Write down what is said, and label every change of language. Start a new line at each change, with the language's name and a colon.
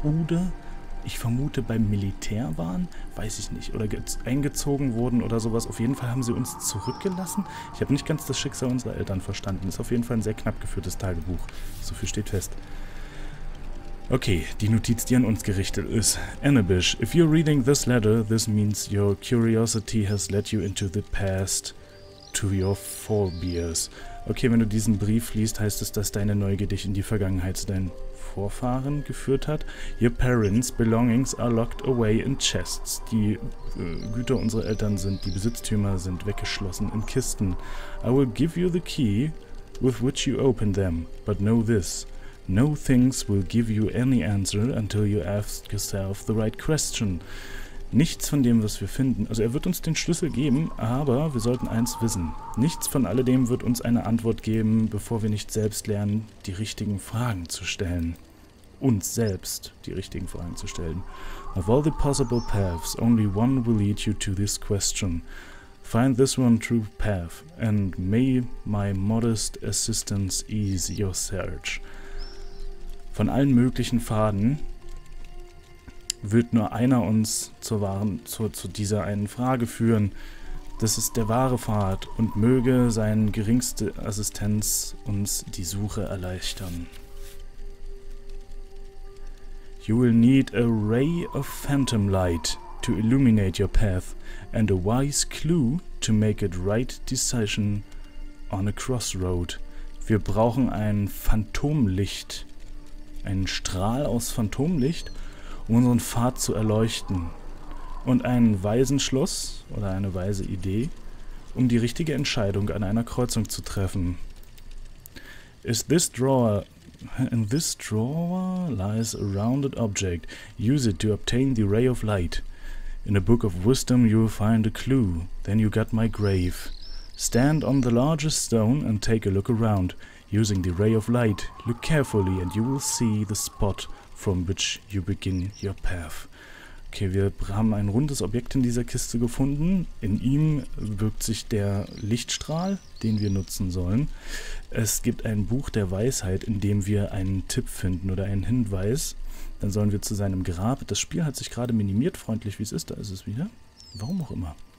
German: Oder ich vermute beim Militär waren, weiß ich nicht, oder eingezogen wurden oder sowas. Auf jeden Fall haben sie uns zurückgelassen. Ich habe nicht ganz das Schicksal unserer Eltern verstanden. Ist auf jeden Fall ein sehr knapp geführtes Tagebuch. So viel steht fest. Okay, die Notiz, die an uns gerichtet ist.
English: Anabish, if you're reading this letter, this means your curiosity has led you into the past to your forebears.
German: Okay, wenn du diesen Brief liest, heißt es, dass deine Neugier dich in die Vergangenheit zu deinen Vorfahren geführt hat.
English: Your parents' belongings are locked away in chests.
German: Die Güter unserer Eltern sind, die Besitztümer sind weggeschlossen in Kisten.
English: I will give you the key with which you open them, but know this. No things will give you any answer until you ask yourself the right question.
German: Nichts von dem, was wir finden. Also er wird uns den Schlüssel geben, aber wir sollten eins wissen. Nichts von alledem wird uns eine Antwort geben, bevor wir nicht selbst lernen, die richtigen Fragen zu stellen. Uns selbst die richtigen Fragen zu stellen.
English: Of all the possible paths, only one will lead you to this question. Find this one true path, and may my modest assistance ease your search.
German: Von allen möglichen Pfaden wird nur einer uns zu dieser einen Frage führen. Das ist der wahre Pfad, und möge seine geringste Assistenz uns die Suche erleichtern.
English: You will need a ray of phantom light to illuminate your path, and a wise clue to make a right decision on a crossroad.
German: Wir brauchen ein Phantomlicht, einen Strahl aus Phantomlicht, um unseren Pfad zu erleuchten. Und einen weisen Schluss oder eine weise Idee, um die richtige Entscheidung an einer Kreuzung zu treffen.
English: In this drawer lies a rounded object. Use it to obtain the ray of light. In a book of wisdom you will find a clue. Then you got my grave. Stand on the largest stone and take a look around. Using the ray of light, look carefully and you will see the spot from which you begin your path.
German: Okay, wir haben ein rundes Objekt in dieser Kiste gefunden. In ihm birgt sich der Lichtstrahl, den wir nutzen sollen. Es gibt ein Buch der Weisheit, in dem wir einen Tipp finden oder einen Hinweis. Dann sollen wir zu seinem Grab. Das Spiel hat sich gerade minimiert, freundlich wie es ist. Da ist es wieder. Warum auch immer.